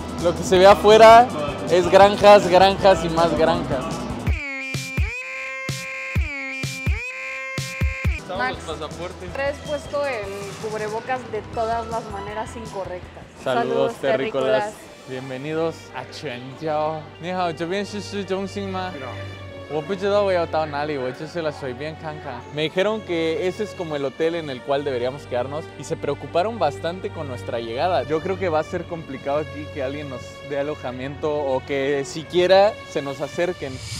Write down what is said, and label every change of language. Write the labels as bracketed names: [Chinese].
[Spanish] Lo que se ve afuera es granjas, granjas y más granjas. Max, traes puesto el cubrebocas de todas las maneras incorrectas. Saludos, terrícolas. Bienvenidos a Chengdu. Ni hao, ¿yo bien soy el centro? No. [Chinese] 我不知道我要到哪里，我就是来随便看看。 [Spanish] Me dijeron que ese es como el hotel en el cual deberíamos quedarnos y se preocuparon bastante con nuestra llegada. Yo creo que va a ser complicado aquí que alguien nos dé alojamiento o que siquiera se nos acerquen.